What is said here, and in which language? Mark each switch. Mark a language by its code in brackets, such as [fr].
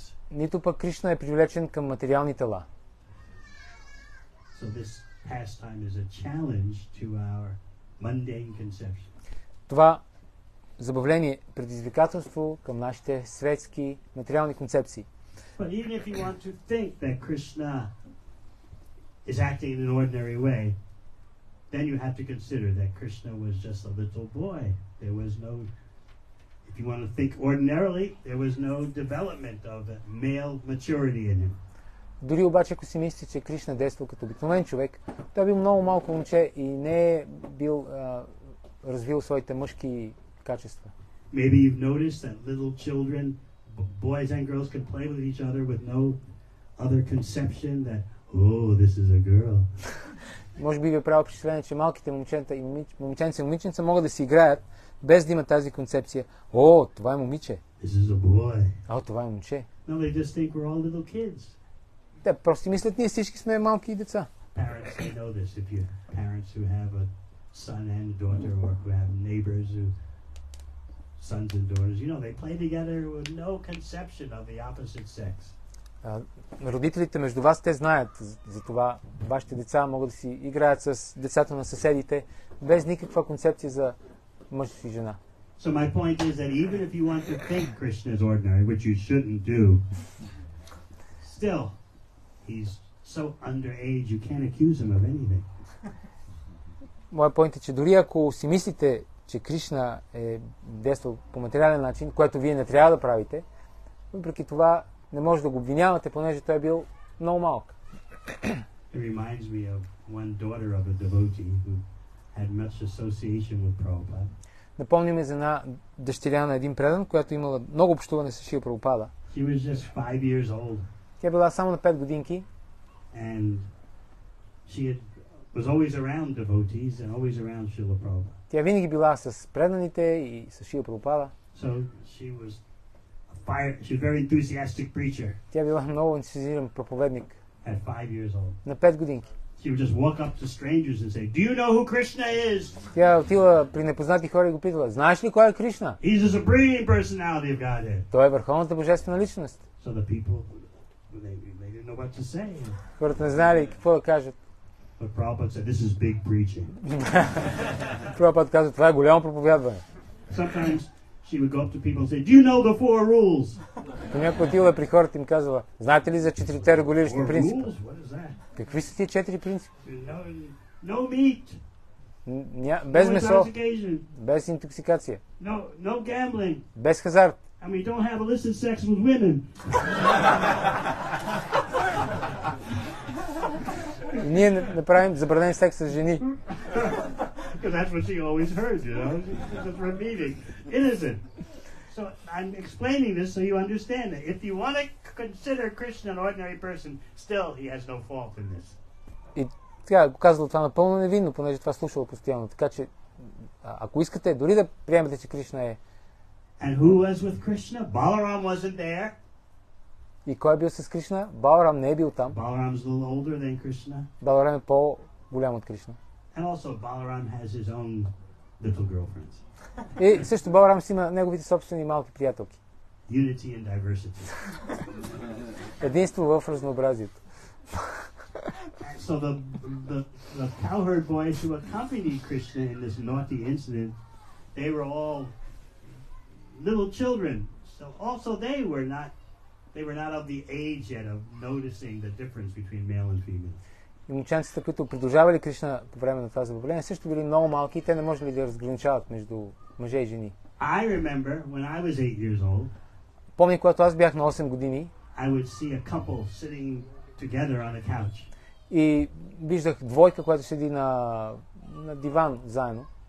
[bg] Нито пък Кришна е привлечен към материални тела. [en] So this pastime is a challenge to our mundane conception. [bg] Това забавление предизвикателство към нашите светски материални концепции. [en] But even if you want to think that Krishna is acting in an ordinary way, then you have to consider that Krishna was just a little boy. There was no, if you want to think ordinarily, there was no development of male maturity in him. [bg] Дори обаче, ако си мислите, че Кришна действал като обикновен човек, той бил много малко момче и не е бил развил своите мъжки качества. [en] Maybe you've noticed that little children, boys and girls, can play with each other with no other conception that, oh, this is a girl. [bg] Може би ви е правило впечатление, че малките момченца и момиченца могат да си играят без да има тази концепция. О, това е момиче. [en] This is a boy. [bg] О, това е момче. [en] No, they just think we're all little kids. [bg] Те просто мислят, ние всички сме малки деца. [en] Parents who know this, if you have parents who have a son and daughter, or who have neighbors who sons and daughters, you know, they play together with no conception of the opposite sex. [bg] Родителите между вас, те знаят за това. Вашите деца могат да си играят с децата на съседите без никаква концепция за мъж и жена. [en] So my point is that even if you want to think Krishna is ordinary, which you shouldn't do, still, he's so underage, you can't accuse him of anything. [bg] Моя point е, че дори ако си мислите, че Кришна е действал по материален начин, което вие не трябва да правите, въпреки това не може да го обвинявате, понеже той е бил много малък. [en] It reminds me of one daughter of a devotee who had much association with Prabhupada. [bg] Напомня ми за една дъщеря на един предан, която имала много общуване с Шрила Прабхупада. [en] She was just 5 years old. [bg] Тя била само на 5 годинки. [en] And she had, was always around devotees and always around Shrila Prabhupada. [bg] Тя винаги била с преданите и с Шрила Прабхупада. [en] So she was a fire, she was very enthusiastic preacher. [bg] Тя била много ентусиазиран проповедник. [en] At 5 years old. [bg] На 5 годинки. [en] She would just walk up to strangers and say, "Do you know who Krishna is?" [bg] Тя отила при непознати хора и го питала: "Знаеш ли кой е Кришна?" [en] He is the supreme personality of Godhead. [bg] Той е върховната божествена личност. [en] So the people, they didn't know what to say. [bg] Хората не знали какво да кажат. [en] But Prabhupada said, "This is big preaching." [bg] Прабхупад каза: "Това е голямо проповядване." [en] Sometimes she would go up to people and say, "Do you know the four rules?" [bg] Понякога отила при хората и им казала: "Знаете ли за четирите регулиращи принципа?" [en] Rules? What is that? [bg] Какви са тия четири принципи? [en] No meat. [bg] Без месо. Без интоксикация. [en] No gambling. [bg] Без хазарт. [en] I mean, don't have illicit sex with women. [bg] Ние направим забранен секс с жени. [en] Because that's what she always heard, you know. Just from meeting. Innocent. So I'm explaining this so you understand that if you want to consider Krishna an ordinary person, still he has no fault in this. [bg] И тя го казала това напълно невинно, понеже това слушала постоянно. Така че, ако искате, дори да приемете, че Кришна е... [en] And who was with Krishna? Balaram wasn't there. [bg] И кой е бил с Кришна? Balaram не е бил там. [en] Balaram's a little older than Krishna. [bg] Balaram е по-голям от Кришна. [en] And also Balaram has his own little girlfriends. [bg] И също Баларам си има неговите собствени малки приятелки. [en] Unity and diversity. [bg] Единство в разнообразието. [en] So the cowherd boys who accompanied Krishna in this naughty incident, they were all little children. So also they were not of the age yet of noticing the difference between male and female. [bg] И момченцата, които продължавали Кришна по време на това забавление, също били много малки и те не можели да разграничават между мъже и жени. [en] I remember when I was 8 years old. [bg] Помня, когато аз бях на 8 години. [en] I would see a couple sitting together on a couch. [bg] И виждах двойка, която седи на диван заедно.